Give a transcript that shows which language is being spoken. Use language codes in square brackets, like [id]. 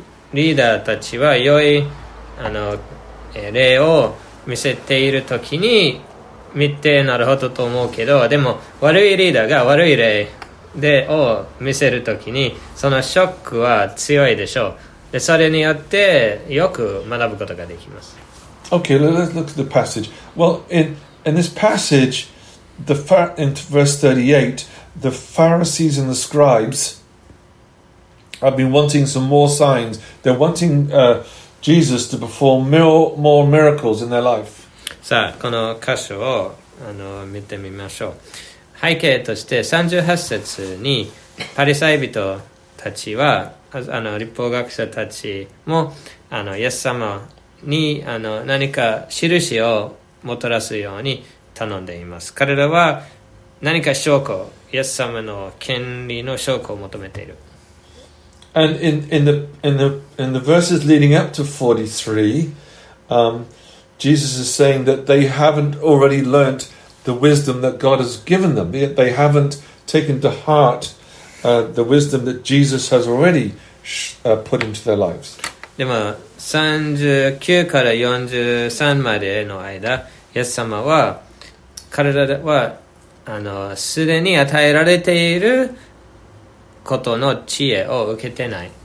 [ja] リーダーたちは良い例を見せているときに見てなるほどと思うけど、でも悪いリーダーが悪い例でを見せるときにそのショックは強いでしょう。でそれによってよく学ぶことができます。 [en] Okay, let's look at the passage. Well, in this passage, in verse 38, the Pharisees and the scribes have been wanting some more signs. They're wanting Jesus to perform more miracles in their life. [ja] さあ、この箇所を見てみましょう。背景として38節にパリサイ人たちは立法学者たちもイエス様に何か印をもたらすように頼んでいます。彼らは何か証拠、イエス様の権利の証拠を求めている。 [en] And in the verses leading up to 43, Jesus is saying that they haven't already learnt the wisdom that God has given them. They haven't taken to heart the wisdom that Jesus has already put into their lives. [ja] でも39から43までの間、イエス様は彼らはすでに与えられていることの知恵を受けてない。